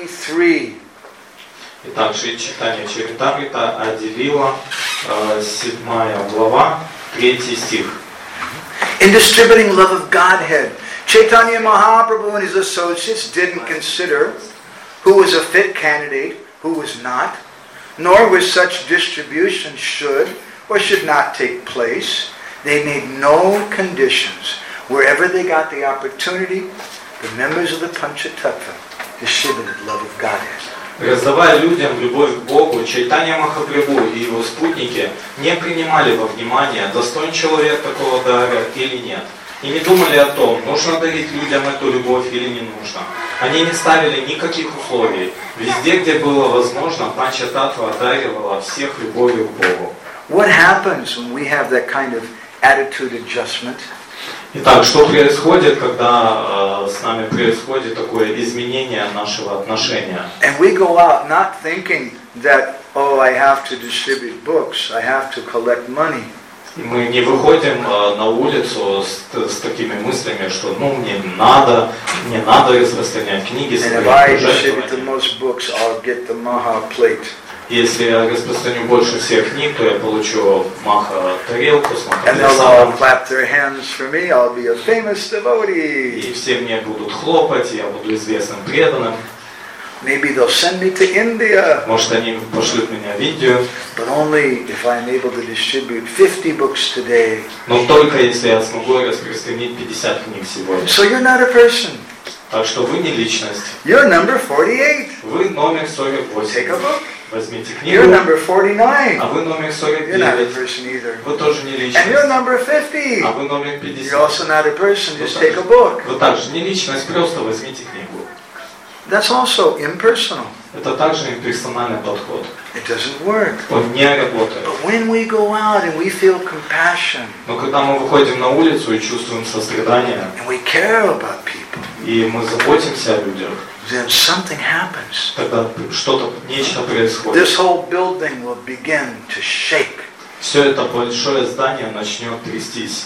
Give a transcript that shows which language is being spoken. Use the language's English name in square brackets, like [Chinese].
[Russian] Итак, Шри Чайтанья Чаритамрита, Ади Лила, 7 глава, 3 стих. [English] In distributing love of Godhead, Chaitanya Mahaprabhu and his associates didn't consider who was a fit candidate, who was not. nor with such distribution should or should not take place. They made no conditions. Wherever they got the opportunity, the members of the Panchatattva distributed love of Godhead. [Russian] Раздавая людям любовь к Богу, Чайтанья Махапрабху и его спутники не принимали во внимание, достоин человек такого дара или нет, и не думали о том, нужно дарить людям эту любовь или не нужно. Они не ставили никаких условий. Везде, где было возможно, Панчататва одаривала всех любовью к Богу. [English] What happens when we have that kind of attitude adjustment? [Russian] Итак, что происходит, когда с нами происходит такое изменение нашего отношения? [English] And we go out not thinking that, oh, I have to distribute books, I have to collect money. [Russian] И мы не выходим на улицу с такими мыслями, что, ну, мне надо распространять книги. [English] And if I distribute the most books, I'll get the maha plate. [Russian] Если я распространю больше всех книг, то я получу маха-тарелку с маха-плясом. И все мне будут хлопать, я буду известным преданным. [English] Maybe they'll send me to India. [Russian] Может, они пошлют меня в Индию. [English] But only if I'm able to distribute 50 books today. [Russian] Но только если я смогу распространить 50 книг сегодня. [English] So you're not a person. [Russian] Так что вы не личность. [English] You're number 48. [Russian] Вы номер 48. [English] Take a book. [Russian] Возьмите книгу. [English] You're number 49. [Russian] А вы номер 49. [English] You're not a person either. [Russian] Вы тоже не личность. [English] And you're number 50. [Russian] А вы номер 50. [English] You're also not a person. Just take a book. [Russian] Вы также не личность. Просто возьмите книгу. [English] That's also impersonal. [Russian] Это также имперсональный подход. [English] It doesn't work. [Russian] Он не работает. [English] But when we go out and we feel compassion. [Russian] Но когда мы выходим на улицу и чувствуем сострадание. [English] And we care about people. [Russian] И мы заботимся о людях. [English] Then something happens. [Russian] Тогда что-то, нечто происходит. [English] This whole building will begin to shake. [Russian] Все это большое здание начнет трястись.